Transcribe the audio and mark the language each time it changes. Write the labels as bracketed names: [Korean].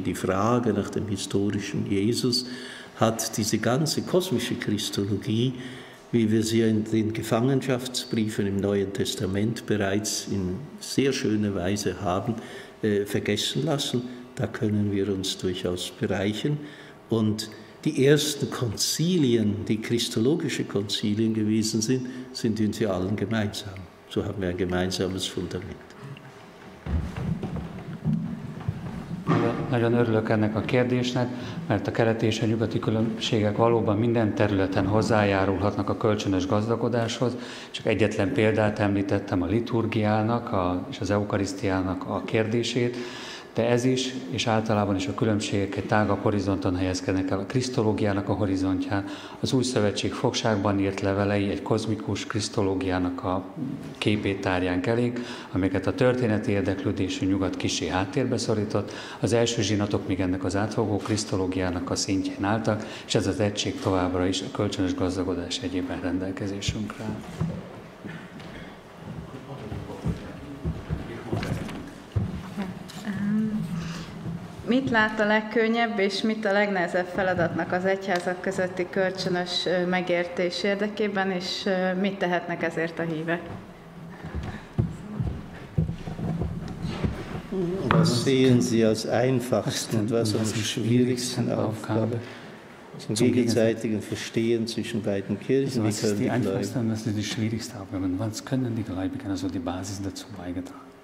[German] Die Frage nach dem historischen Jesus hat diese ganze kosmische Christologie, wie wir sie in den Gefangenschaftsbriefen im Neuen Testament bereits in sehr schöner Weise haben, vergessen lassen. Da können wir uns durchaus bereichern. Und die ersten Konzilien, die christologische Konzilien gewesen sind, sind uns ja allen gemeinsam. So haben wir ein gemeinsames Fundament. [Hungarian] Nagyon örülök ennek a kérdésnek, mert a keleti és a nyugati különbségek valóban minden területen hozzájárulhatnak a kölcsönös gazdagodáshoz. Csak egyetlen példát említettem, a liturgiának és az eukarisztiának a kérdését, de ez is, és általában is a különbségek egy tágabb horizonton helyezkednek el, a krisztológiának a horizontján, az új szövetség fogságban írt levelei egy kozmikus krisztológiának a képét tárják elég, amiket a történeti érdeklődésű nyugat kissé háttérbe szorított, az első zsinatok még ennek az átfogó krisztológiának a szintjén álltak, és ez az egység továbbra is a kölcsönös gazdagodás egyében rendelkezésünkre. Mit lát a legkönnyebb és mit a legnehezebb feladatnak az egyházak közötti kölcsönös megértés érdekében, és mit tehetnek ezért a hívek? [German] Was sehen Sie als einfachsten und was als schwierigsten Aufgabe zum gegenseitigen Verstehen zwischen beiden Kirchen? Was ist die einfachste und was ist die schwierigste Aufgabe? Was können die Gläubigen, also die Basis dazu beigetragen?